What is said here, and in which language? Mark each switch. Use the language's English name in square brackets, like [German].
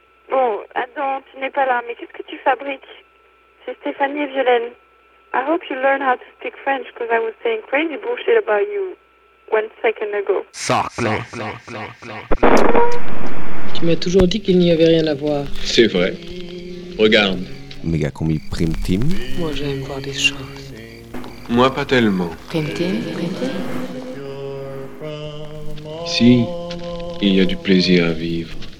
[French] Bon, Adam, tu n'es pas là, mais qu'est-ce que tu fabriques? C'est Stéphanie et Violaine. [English] I hope you learn how to speak French, because I was saying crazy bullshit about you 1 second ago. [French] Tu m'as toujours dit qu'il n'y avait rien à voir. C'est vrai. Regarde. [English] Mega Combi Prime Team. [French] Moi, j'aime voir des choses. Moi, pas tellement. [English] Prime Team, Prime Team. [French] Si, il y a du plaisir à vivre.